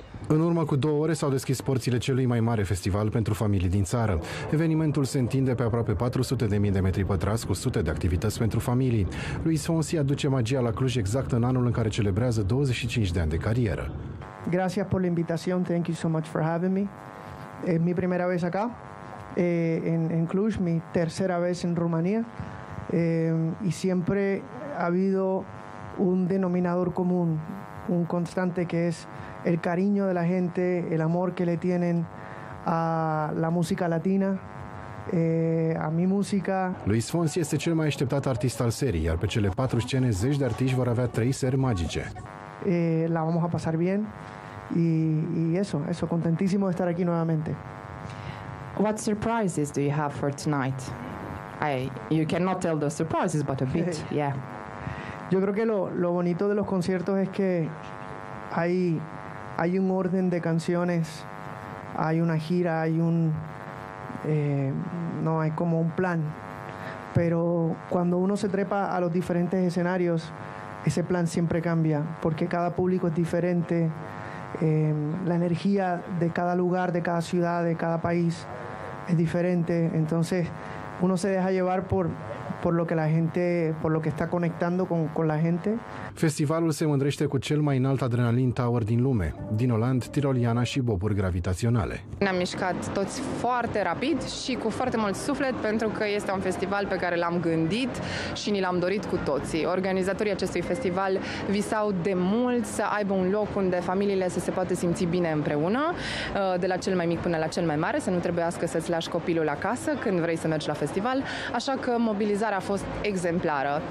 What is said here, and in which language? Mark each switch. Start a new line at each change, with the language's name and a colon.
Romanian: În urmă cu 2 ore s-au deschis porțile celui mai mare festival pentru familii din țară. Evenimentul se întinde pe aproape 400.000 de metri pătrați cu sute de activități pentru familii. Luis Fonsi aduce magia la Cluj exact în anul în care celebrează 25 de ani de carieră.
Spanish: Gracias por la invitación,
English: thank you so much for having me.
Spanish: Mi primera vez acá, en Cluj, mi tercera vez en Rumania. Y siempre ha habido un denominador común, un constante, que es el cariño de la gente, el amor que le tienen a la música latina, a mi música.
Romanian: Luis Fonsi este cel mai așteptat artist al serii, iar pe cele patru scene, zeci de artiști vor avea trei seri magice.
Spanish: La vamos a pasar bien y eso, contentísimo de estar aquí nuevamente.
English: What surprises do you have for tonight? You cannot tell the surprises, but a bit, yeah.
Spanish: Yo creo que lo bonito de los conciertos es que hay un orden de canciones, hay una gira, hay un no hay como un plan. Pero cuando uno se trepa a los diferentes escenarios, ese plan siempre cambia, porque cada público es diferente, la energía de cada lugar, de cada ciudad, de cada país es diferente. Entonces uno se deja llevar por lo que la gente, por lo que está conectando con la gente.
Romanian: Festivalul se mândrește cu cel mai înalt adrenalin tower din lume, din Oland, Tiroliana și boburi gravitaționale. Ne-am mișcat toți foarte rapid și cu foarte mult suflet, pentru că este un festival pe care l-am gândit și ni l-am dorit cu toții. Organizatorii acestui festival visau de mult să aibă un loc unde familiile să se poată simți bine împreună, de la cel mai mic până la cel mai mare, să nu trebuiască să-ți lași copilul acasă când vrei să mergi la festival, așa că mobilizarea a fost exemplară.